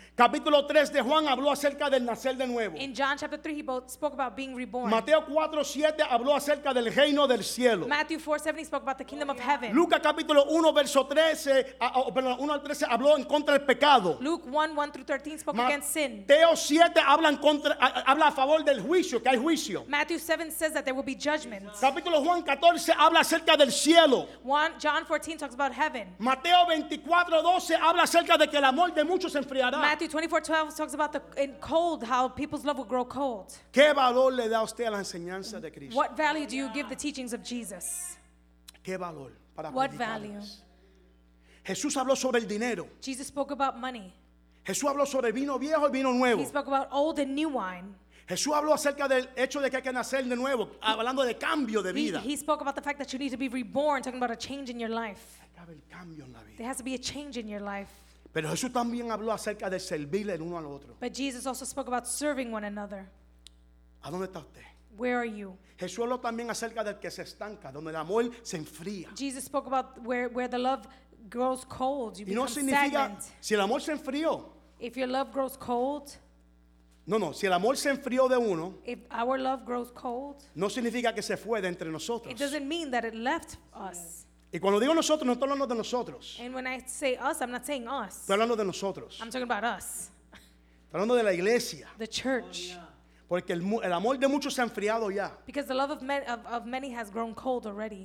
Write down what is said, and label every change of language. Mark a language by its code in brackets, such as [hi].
[es] Capítulo 3 de Juan habló acerca del nacer de nuevo. [en] In John chapter 3 he spoke about being reborn. [es] Mateo 4:7 habló acerca del reino del cielo. [en] Matthew 4:7 he spoke about the kingdom of heaven. [es] Lucas capítulo 1 verso 13, 1 al 13 habló en contra del pecado. [en] Luke 1:1-13 spoke against sin. [es] Mateo 7 habla a favor del juicio, que hay juicio. [en] Matthew 7 says that there will be judgment. [es] Capítulo Juan 14 habla acerca del cielo. [en] John 14 talks about heaven. [es] Mateo 24:12 habla acerca de que el amor de muchos se enfriará. [en] Matthew 24:12 talks about the in cold, how people's love will grow cold. [es] ¿Qué valor le da usted a la enseñanza de Cristo? [en] What value do you give the teachings of Jesus? [es] ¿Qué valor para [en] what value? [es] Jesús habló sobre el dinero. [en] Jesus spoke about money. [es] Jesús habló sobre vino viejo y vino nuevo. [en] He spoke about old and new wine. [es] Jesús habló acerca del hecho de que hay que nacer de nuevo, hablando de cambio de vida. [en] He spoke about the fact that you need to be reborn, talking about a change in your life. [es] El cambio en la vida. [en] There has to be a change in your life. [es] Pero Jesús también habló acerca de servir el uno al otro. [en] But Jesus also spoke about serving one another. [es] ¿A dónde está usted? [en] Where are you? [es] Jesús habló también acerca del que se estanca, donde el amor se enfría. [en] Jesus spoke about where the love grows cold. You [es] y no [en] become [es] significa [en] stagnant. [es] Si el amor se enfrió. [en] If your love grows cold. [es] No, si el amor se enfrió de uno, [en] if our love grows cold, [es] no significa que se fue de entre nosotros. [en] It doesn't mean that it left us. [es] Y cuando digo nosotros, no estoy hablando de nosotros. [en] And when I say us, I'm not saying us. [es] Estoy hablando de nosotros. [en] I'm talking about us. [es] Estoy hablando de la iglesia. [en] The church. [es] Porque el amor de muchos se ha enfriado ya. [en] Because the love of many has grown cold already.